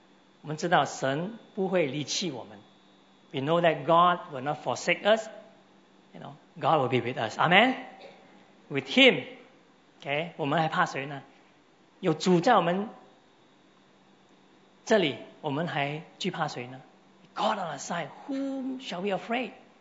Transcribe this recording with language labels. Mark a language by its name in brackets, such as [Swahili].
[Chinese] 在服事的这个道路，你选择了要服事上帝，真的是有很多的挑战。但是我们知道，我们心中会有很多的喜乐，因为我们知道神不会离弃我们。 [English] We know that God will not forsake us. You know, God will be with us. Amen. With Him, okay. [Chinese] 我们还怕谁呢？有主在我们这里，我们还惧怕谁呢？ [English] God on our side, whom shall we afraid?